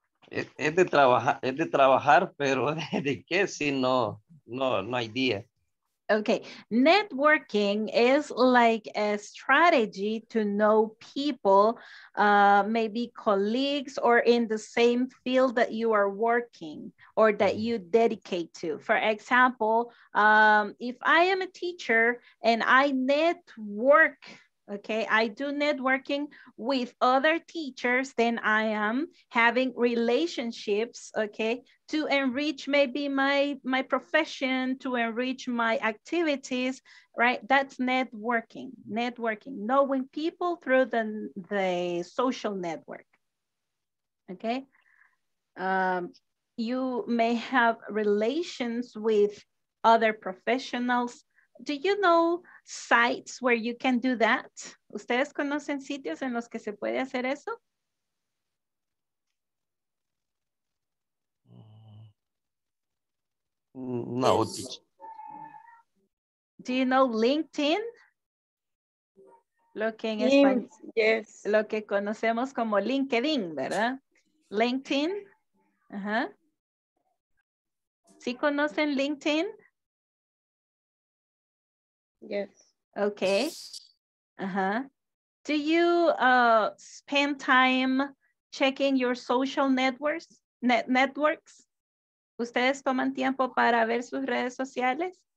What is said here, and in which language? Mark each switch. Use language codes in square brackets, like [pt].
[es] Es de trabajar, pero de qué si no idea. [en] Okay, networking is like a strategy to know people, maybe colleagues or in the same field that you are working or that you dedicate to. For example, if I am a teacher and I network, okay, I do networking with other teachers, then I am having relationships, okay, to enrich maybe my profession, to enrich my activities, right? That's networking, knowing people through the social network, okay? You may have relations with other professionals. Do you know sites where you can do that? [es] ¿Ustedes conocen sitios en los que se puede hacer eso? No. [en] Do you know LinkedIn? [es] Lo que en español, [en] yes. [es] Lo que conocemos como LinkedIn, ¿verdad? LinkedIn. ¿Sí conocen LinkedIn? [en] Yes. Okay. Do you spend time checking your social networks? Networks? [es] ¿Ustedes toman tiempo para ver sus redes sociales?